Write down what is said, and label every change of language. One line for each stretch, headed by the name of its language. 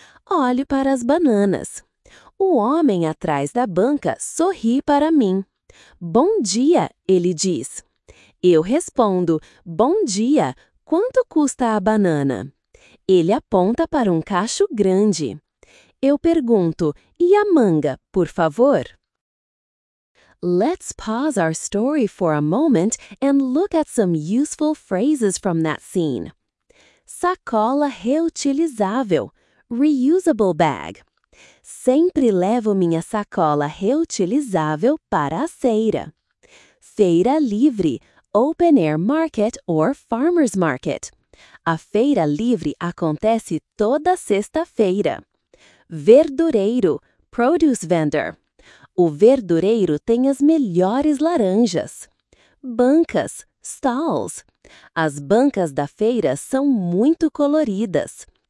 Portuguese: Olho para as bananas. O homem atrás da banca sorri para mim. Bom dia, ele diz. Eu respondo, bom dia, quanto custa a banana? Ele aponta para um cacho grande. Eu pergunto, e a manga, por favor?
English: Let's pause our story for a moment and look at some useful phrases from that scene.
Portuguese: Sacola reutilizável,
English: reusable bag.
Portuguese: Sempre levo minha sacola reutilizável para a feira. Feira livre,
English: open air market or farmer's market.
Portuguese: A feira livre acontece toda sexta-feira. Verdureiro,
English: produce vendor.
Portuguese: O verdureiro tem as melhores laranjas. Bancas, stalls. As bancas da feira são muito coloridas.